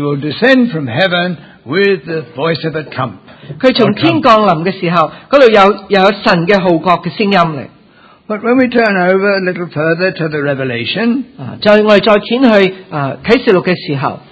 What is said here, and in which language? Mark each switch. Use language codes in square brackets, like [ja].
[en] will descend from heaven with the voice of a trump. [zh] 他从天降临的时候，那里又有神的号角的声音来。 [en] But when we turn over a little further to the Revelation, [zh] 就是我们再卷去启示录的时候，